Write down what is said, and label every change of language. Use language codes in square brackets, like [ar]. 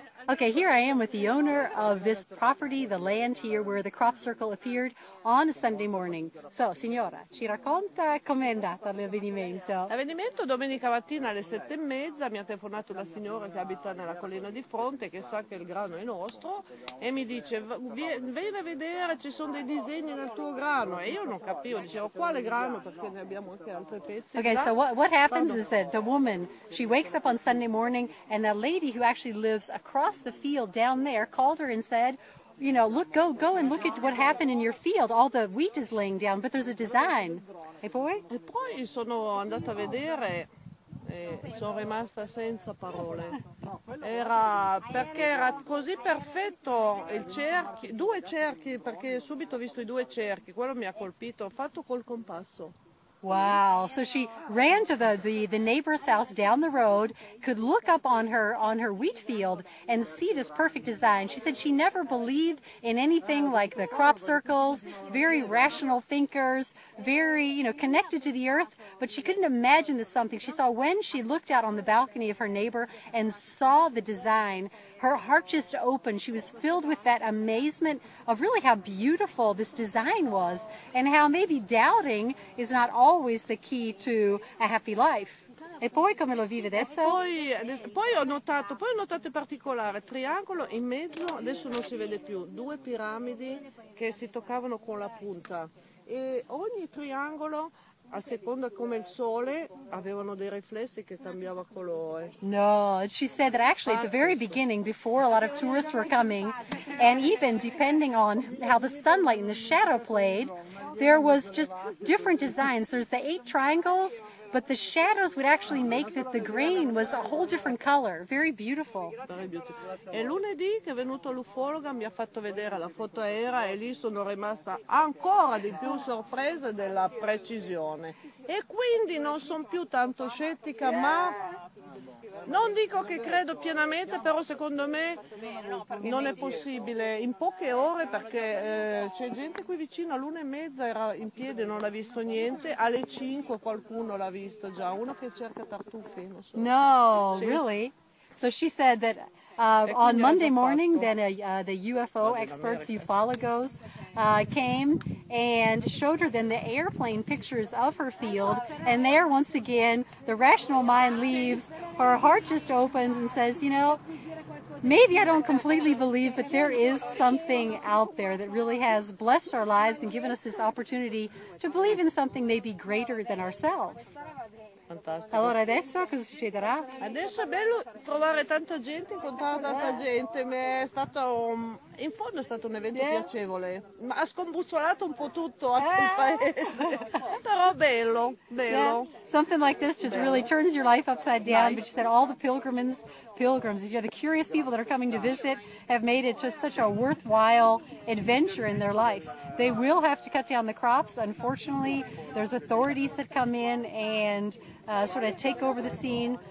[en] Okay, here I am with the owner of this property, the land here where the crop circle appeared on a Sunday morning. [it] So, signora, ci racconta com'è andata l'avvenimento? L'avvenimento domenica mattina alle 7:30 mi ha telefonato la signora che abita nella collina di fronte, che sa che il grano è nostro, e mi dice, vieni a vedere, ci sono dei disegni nel tuo grano. E io non capivo, dicevo, quale grano, perché ne abbiamo anche altri pezzi. [en] Okay, so what happens is that the woman, she wakes up on Sunday morning, and the lady who actually lives across the field down there called her and said, you know, look, go and look at what happened in your field. All the wheat is laying down, but there's a design. Hey, boy. [it] E poi sono andata a vedere e sono rimasta senza parole. Era perché era così perfetto il cerchio, due cerchi, perché subito ho visto i due cerchi. Quello mi ha colpito, fatto col compasso. [en] Wow, so she ran to the neighbor's house down the road, could look up on her wheat field and see this perfect design. She said she never believed in anything like the crop circles, very rational thinkers, very, you know, connected to the earth, but she couldn't imagine this something. She saw when she looked out on the balcony of her neighbor and saw the design, her heart just opened. She was filled with that amazement of really how beautiful this design was and how maybe doubting is not always the key to a happy life. [it] E poi come lo vive adesso? Poi ho notato in particolare, triangolo in mezzo, adesso non si vede più, due piramidi che si toccavano con la punta. E ogni triangolo, a seconda come il sole, avevano dei riflessi che cambiava colore. [en] No, she said that actually at the very beginning, before a lot of tourists were coming, and even depending on how the sunlight and the shadow played, there was just different designs. There's the eight triangles, but the shadows would actually make that the green was a whole different color. Very beautiful. [it] E lunedì che è venuto l'ufologa mi ha fatto vedere la foto aerea e lì sono rimasta ancora di più sorpresa della precisione. E quindi non sono più tanto scettica, ma non dico che credo pienamente, però secondo me non è possibile. In poche ore, perché c'è gente qui vicino, all'1:30 era in piedi, non ha visto niente. Alle 5 qualcuno l'ha visto già, uno che cerca tartufi, non so. No, sì. [en] Really? So she said that on Monday morning, then the UFO experts, ufologos, came and showed her then the airplane pictures of her field. And there, once again, the rational mind leaves. Her heart just opens and says, you know, maybe I don't completely believe, but there is something out there that really has blessed our lives and given us this opportunity to believe in something maybe greater than ourselves. [it] Fantastico. Allora adesso cosa succederà? Adesso è bello trovare tanta gente, incontrare tanta gente, ma è stato in fondo è stato un evento piacevole, ma ha scombussolato un po' tutto a quel paese, però bello, bello. [en] Yeah. Something like this just really turns your life upside down, nice. But you said all the pilgrims, you know, the curious people that are coming to visit have made it just such a worthwhile adventure in their life. They will have to cut down the crops, unfortunately, there's authorities that come in and sort of take over the scene.